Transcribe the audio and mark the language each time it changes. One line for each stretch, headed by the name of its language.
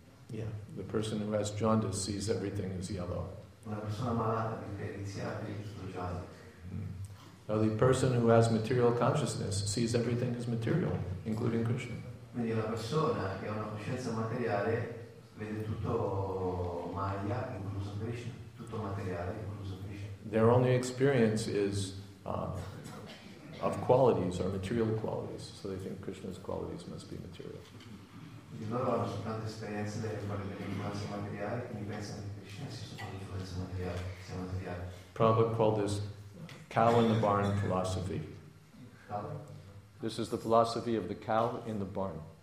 English: Yeah, the person who has jaundice sees everything as yellow. Now the person who has material consciousness sees everything as material, including Krishna.
Italian: Quindi la persona che ha una coscienza materiale vede tutto maya, incluso Krishna, tutto materiale, incluso Krishna.
English: Their only experience is of qualities or material qualities, so they think Krishna's qualities must be material.
Italian: Quindi loro hanno soltanto esperienze delle qualità materiali, quindi pensano che Krishna sia solo una influenza materiale.
English: Prabhupada called this cow in the barn philosophy. This is the philosophy of the cow in the barn.